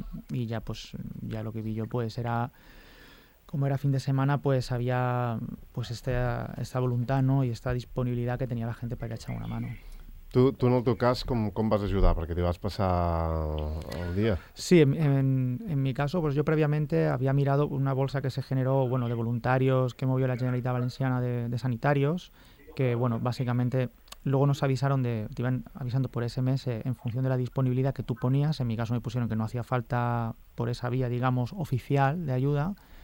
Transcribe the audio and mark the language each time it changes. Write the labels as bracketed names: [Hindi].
[Spanish] Y ya pues ya lo que vi yo pues era, como era fin de semana, pues había pues esta voluntad, ¿no? Y esta disponibilidad que tenía la gente para ir a echar una mano. [Catalan] Tu, en el teu cas, com vas ajudar? Perquè t'hi vas passar el dia. [Spanish] Sí, en mi caso, pues yo previamente había mirado una bolsa que se generó, bueno, de voluntarios que movió la Generalitat Valenciana de sanitarios, que, bueno, básicamente luego nos avisaron te iban avisando por SMS en función de la disponibilidad que tú ponías. En mi caso me pusieron que no hacía falta por esa vía, digamos, oficial de ayuda.